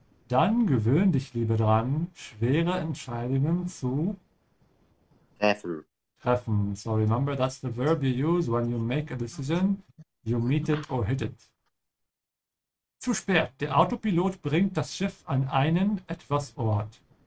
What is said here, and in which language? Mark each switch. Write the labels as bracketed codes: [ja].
[de] Dann gewöhn dich lieber dran, schwere Entscheidungen zu treffen. [en] So remember, that's the verb you use when you make a decision. You meet it or hit it. [de] Zu spät. Der Autopilot bringt das Schiff an einen etwas Ort.